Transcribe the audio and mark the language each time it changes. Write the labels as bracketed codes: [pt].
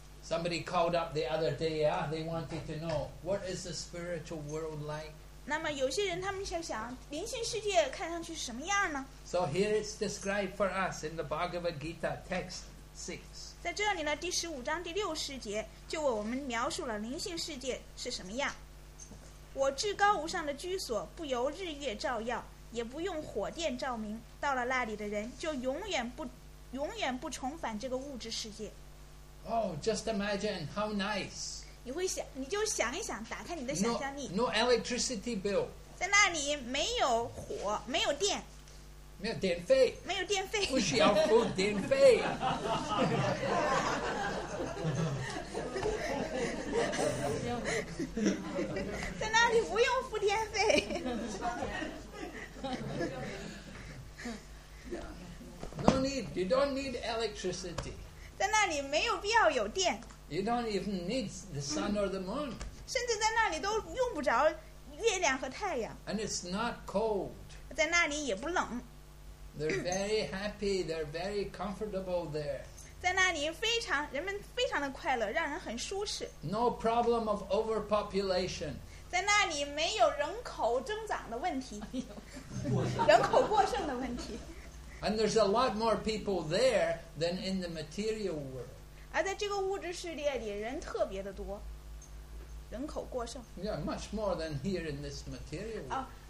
[en] Somebody called up the other day, they wanted to know, what is the spiritual world like? [zh] 那么有些人他们想想,灵性世界看上去是什么样呢? [en] So here it's described for us in the Bhagavad Gita text 6. [zh] 在这里呢,第15章第6世节,就为我们描述了灵性世界是什么样。我至高无上的居所,不由日月照耀。也不用火电照明，到了那里的人就永远不重返这个物质世界。 [en] Oh, just imagine how nice. [zh] 你就想一想，打开你的想象力。 [en] No electricity bill. [zh] 在那里没有火，没有电，没有电费，不需要付电费。在那里不用付电费。 [en] No need, you don't need electricity. [zh] 在那里没有必要有电。 [en] You don't even need the sun or the moon. [zh] 甚至在那里都用不着月亮和太阳。 [en] And it's not cold. [zh] 在那里也不冷。 [en] They're very happy, they're very comfortable there. [zh] 在那里非常人们非常的快乐，让人很舒适。 [en] No problem of overpopulation. [zh] 在那里没有人口增长的问题，人口过剩的问题。 [en] And there's a lot more people there than in the material world. [zh] 而在这个物质世界里，人特别的多，人口过剩。 [en] Yeah, much more than here in this material world.